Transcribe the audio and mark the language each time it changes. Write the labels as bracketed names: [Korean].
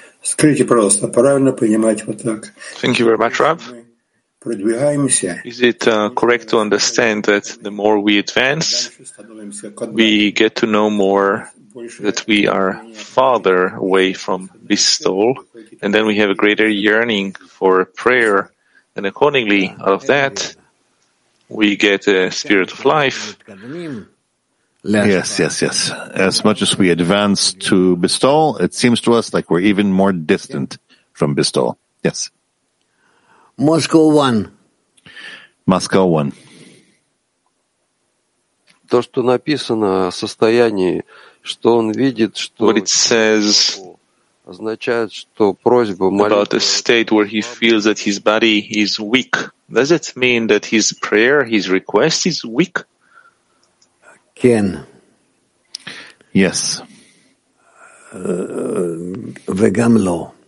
[Russian] Скажите, пожалуйста, правильно понимать вот так? [English] Thank you very much, Rav. [Russian] Продвигаемся. [English] Is it correct to understand that the more we advance, we get to know more that we are farther away from this soul, and then we have a greater yearning for prayer? And accordingly, out of that, we get a spirit of life. Yes, yes, yes. As much as we advance to bestow, it seems to us like we're even more distant from bestow. Yes. Moscow 1. [Russian] То, что написано о состоянии, что он видит, что... [English] What it says... About a state where he feels that his body is weak. Does it mean that his prayer, his request is weak? [Hebrew] Ken. [English] Yes. [Hebrew] Vegamlo.